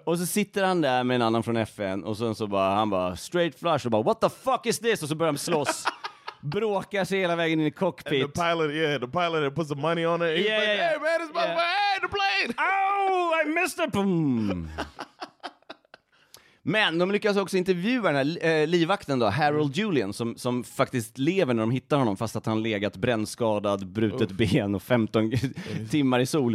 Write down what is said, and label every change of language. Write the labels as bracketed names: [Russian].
[Swedish] Och så sitter han där med en annan från FN. Och sen så bara, han bara, straight flush. Och bara, [English] what the fuck is this? [Swedish] Och så börjar de slåss. Bråkar sig hela vägen in i cockpit. [English] And the pilot, yeah, the pilot that puts the money on it. He's like, hey man, it's my plane, the plane! Oh, I missed it! Boom. [Swedish] Men de lyckas också intervjua den här livvakten då, Harold Julian, som faktiskt lever när de hittar honom, fast att han legat brännskadad, brutet ben och 15 timmar i sol.